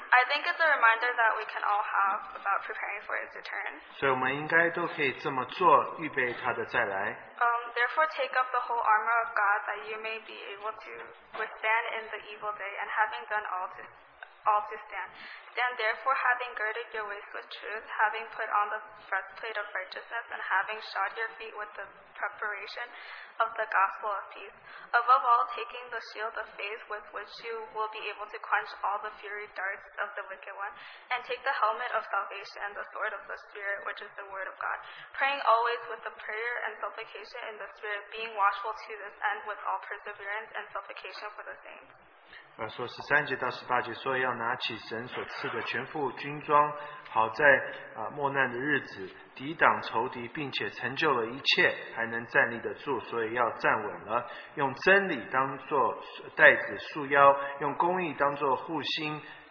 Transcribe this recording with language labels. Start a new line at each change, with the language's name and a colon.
English: I think it's a reminder that we can all have about preparing for His return.
Chinese: 所以我们应该都可以这么做，预备他的再来。
English: Therefore, take up the whole armor of God that you may be able to withstand in the evil day, and having done all to, all to stand. Stand therefore, having girded your waist with truth, having put on the breastplate of righteousness, and having shod your feet with the preparation of the gospel of peace. Above all, taking the shield of faith with which you will be able to quench all the fiery darts of the wicked one, and take the helmet of salvation and the sword of the Spirit, which is the word of God. Praying always with the prayer and supplication in the Spirit, being watchful to this end with all perseverance and supplication for the saints.
Chinese: 说十三节到十八节，说要拿起神所赐的全副军装，好在末难的日子抵挡仇敌，并且成就了一切，还能站立得住，所以要站稳了。用真理当作带子束腰，用公义当作护心，